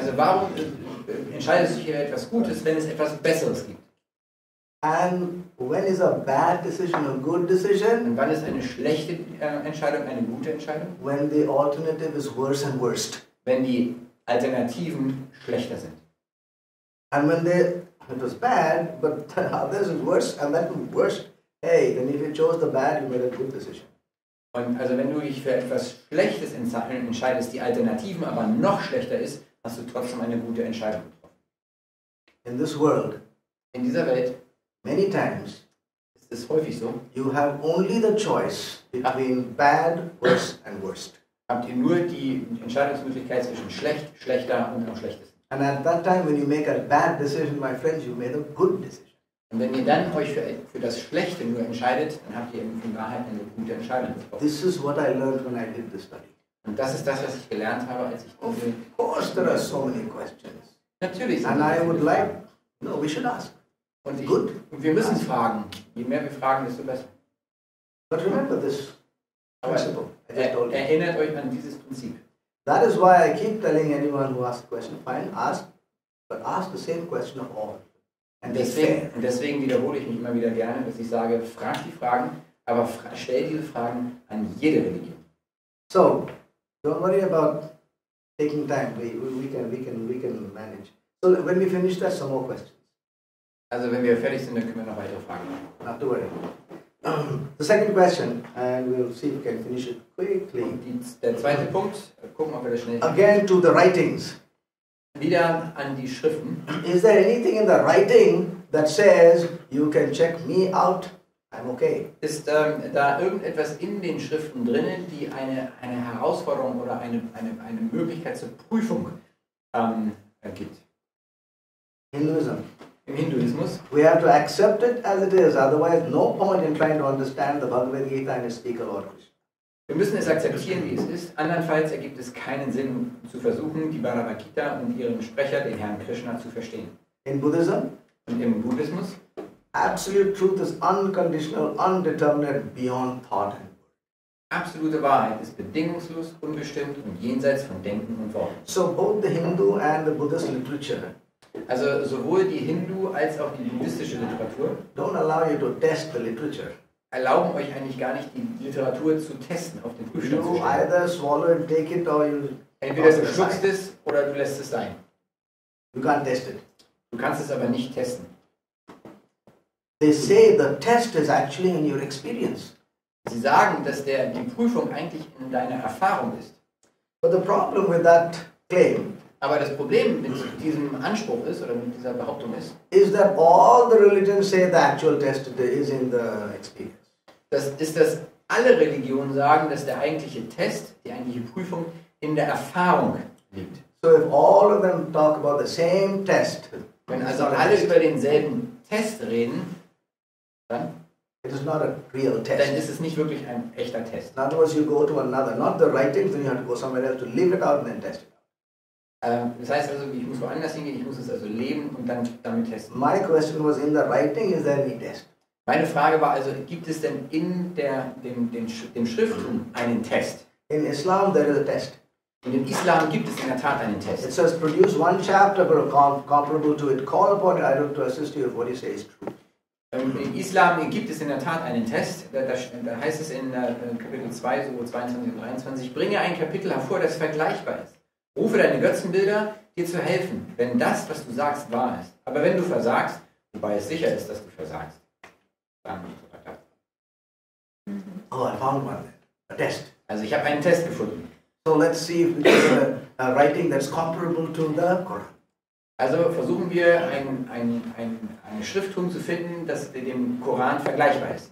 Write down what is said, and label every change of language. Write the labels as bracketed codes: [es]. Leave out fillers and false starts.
[de] Also warum entscheidest du hier etwas Gutes, wenn es etwas Besseres gibt? [en] And when is a bad decision a good decision? [de] Und wann ist eine schlechte Entscheidung eine gute Entscheidung? [en] When the alternative is worse and worst. [de] Wenn die Alternativen schlechter sind. [en] And when it was bad, but the others is worse, and that was worse. Hey, then if you chose the bad, you made a good decision. [de] Und also wenn du dich für etwas Schlechtes entscheidest, die Alternativen aber noch schlechter ist, hast du trotzdem eine gute Entscheidung getroffen. [en] In this world, [de] in dieser Welt, [en] many times, [de] ist es häufig so, [en] you have only the choice between bad, worse and worst. [de] Habt ihr nur die Entscheidungsmöglichkeit zwischen schlecht, schlechter und am schlechtesten. [en] And at that time when you make a bad decision, my friends, you made a good decision. [de] Und wenn ihr dann euch für das Schlechte nur entscheidet, dann habt ihr in Wahrheit eine gute Entscheidung getroffen. [en] This is what I learned when I did the study. [de] Und das ist das, was ich gelernt habe, als ich [en] of course there are so many questions. [de] Natürlich. [en] And I would like, no, we should ask. [de] Und ich, good. Und wir müssen fragen. Je mehr wir fragen, desto besser. [en] But remember this principle. [de] Erinnert euch an dieses Prinzip. [en] That is why I keep telling anyone who asks a question, fine, ask, but ask the same question of all. [de] Und deswegen wiederhole ich mich immer wieder gerne, dass ich sage, frag die Fragen, aber stell diese Fragen an jede Religion. [en] So, don't worry about taking time. We can manage. So, when we finish that, some more questions. [de] Also, wenn wir fertig sind, dann können wir noch weitere Fragen machen. [en] Not to worry. The second question, and we'll see if we can finish it quickly. [de] Der zweite Punkt, gucken wir, ob wir das schnell finden. [en] Again to the writings. [de] Wieder an die Schriften. [en] Is there anything in the writing that says you can check me out? I'm okay. [de] Ist da irgendetwas in den Schriften drinnen, die eine Herausforderung oder eine Möglichkeit zur Prüfung ergibt? Im Hinduismus. [en] We have to accept it as it is. Otherwise, no point in trying to understand the Bhagavad Gita and speak a lot. [de] Wir müssen es akzeptieren, wie es ist. Andernfalls ergibt es keinen Sinn, zu versuchen, die Bhagavad Gita und ihren Sprecher, den Herrn Krishna, zu verstehen. [en] In Buddhism? [de] Und im Buddhismus? [en] Absolute truth is unconditional, undetermined, beyond thought and word. [de] Absolute Wahrheit ist bedingungslos, unbestimmt und jenseits von Denken und Worten. [en] So both the Hindu and the Buddhist literature. [de] Also sowohl die Hindu als auch die buddhistische Literatur. [en] Don't allow you to test the literature. [de] Erlauben euch eigentlich gar nicht, die Literatur zu testen, auf den Prüfstand zu stellen. [en] Either swallow and take it or you [de] entweder du schluckst es oder du lässt es sein. [en] You can't test it. [de] Du kannst es aber nicht testen. [en] They say the test is actually in your experience. [de] Sie sagen, dass die Prüfung eigentlich in deiner Erfahrung ist. [en] But the problem with that claim, [de] aber das Problem mit diesem Anspruch ist oder mit dieser Behauptung ist, [en] is that all the religions say the actual test is in the experience. [de] Das ist, dass alle Religionen sagen, dass der eigentliche Test, die eigentliche Prüfung, in der Erfahrung liegt. [en] So if all of them talk about the same test, [de] wenn also alle über denselben Test reden, dann [en] it is not a real test. [de] Dann ist es nicht wirklich ein echter Test. [en] In other words, you go to another, not the writings, then you have to go somewhere else to live it out and then test it. [de] Das heißt also, ich muss woanders hingehen, ich muss es also leben und dann damit testen. [en] My question was in the writing, is there any test? [de] Meine Frage war also, gibt es denn in dem Schriften einen Test? [en] In Islam there is a test. [de] Und im Islam gibt es in der Tat einen Test. [en] It says produce one chapter but comparable to it. Call upon it, I don't to assist you if what you say is true. [de] Im Islam gibt es in der Tat einen Test. Da heißt es in Kapitel 2, so 22 und 23, bringe ein Kapitel hervor, das vergleichbar ist. Rufe deine Götzenbilder, dir zu helfen, wenn das, was du sagst, wahr ist. Aber wenn du versagst, wobei es sicher ist, dass du versagst, dann so weiter. [en] Oh, I found one. A test. [de] Also ich habe einen Test gefunden. [en] So let's see if there's a writing that's comparable to the Quran. [de] Also versuchen wir, eine Schrifttum zu finden, das dem Koran vergleichbar ist.